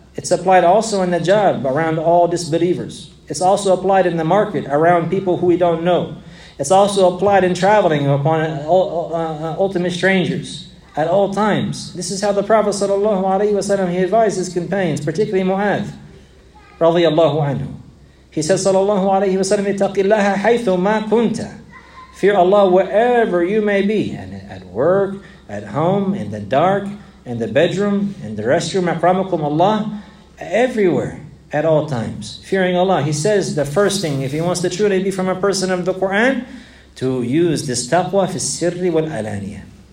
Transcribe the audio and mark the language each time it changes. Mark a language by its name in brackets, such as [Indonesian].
[English] It's applied also in the job, around all disbelievers. It's also applied in the market, around people who we don't know. It's also applied in traveling upon ultimate strangers. At all times. This is how the Prophet ﷺ, he advised his companions, particularly Mu'adh. [Arabic] رضي الله عنه. [English] He says, [Arabic] صلى الله عليه وسلم, اتق الله حيث ما كنت. [English] Fear Allah wherever you may be. And at work, at home, in the dark, in the bedroom, in the restroom, [Arabic] أكرمكم الله. [English] Everywhere, at all times. Fearing Allah. He says the first thing, if he wants to truly be from a person of the Quran, to use this taqwa [Arabic] في السر والعلانية.